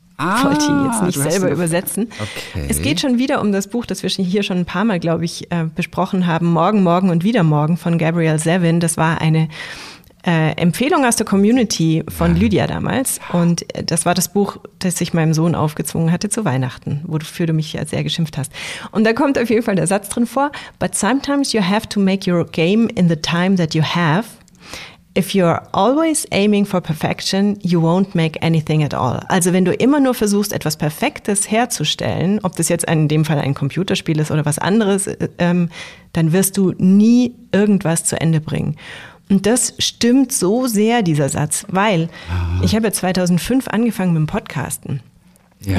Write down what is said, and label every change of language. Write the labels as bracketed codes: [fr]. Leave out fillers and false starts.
[de] Ich wollte ihn jetzt nicht selber übersetzen. Okay. Es geht schon wieder um das Buch, das wir hier schon ein paar Mal, glaube ich, besprochen haben. Morgen, Morgen und wieder Morgen von Gabrielle Zevin. Das war eine Empfehlung aus der Community von Lydia damals. Und das war das Buch, das ich meinem Sohn aufgezwungen hatte zu Weihnachten, wofür du mich ja sehr geschimpft hast. Und da kommt auf jeden Fall der Satz drin vor. [en] But sometimes you have to make your game in the time that you have. If you're always aiming for perfection, you won't make anything at all. [de] Also wenn du immer nur versuchst, etwas Perfektes herzustellen, ob das jetzt in dem Fall ein Computerspiel ist oder was anderes, dann wirst du nie irgendwas zu Ende bringen. Und das stimmt so sehr, dieser Satz, weil ich habe 2005 angefangen mit dem Podcasten. Ja.